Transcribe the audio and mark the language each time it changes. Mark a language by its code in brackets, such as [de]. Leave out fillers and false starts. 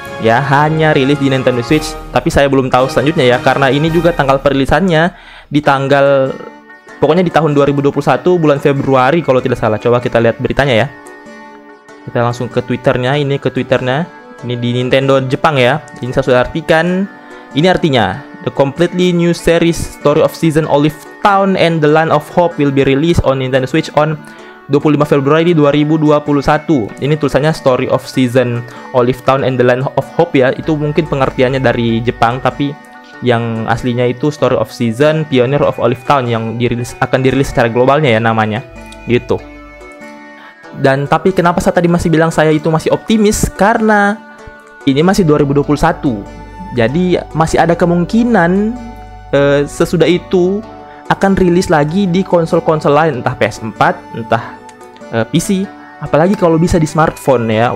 [id] Ya, hanya rilis di Nintendo Switch. Tapi saya belum tahu selanjutnya ya, karena ini juga tanggal perilisannya di tanggal, pokoknya di tahun 2021, bulan Februari kalau tidak salah. Coba kita lihat beritanya ya. Kita langsung ke Twitternya. Ini ke Twitternya. Ini di Nintendo Jepang ya. Ini saya sudah artikan. Ini artinya, [en] the completely new series Story of Season Olive Town and the Land of Hope will be released on Nintendo Switch on 25 Februari 2021. [id] Ini tulisannya Story of Season Olive Town and the Land of Hope ya. Itu mungkin pengertiannya dari Jepang, tapi yang aslinya itu Story of Season Pioneer of Olive Town, yang dirilis, akan dirilis secara globalnya ya namanya. Gitu. Dan tapi kenapa saya tadi masih bilang saya itu masih optimis? Karena ini masih 2021. Jadi masih ada kemungkinan sesudah itu akan rilis lagi di konsol-konsol lain, entah PS4, entah PC, apalagi kalau bisa di smartphone ya.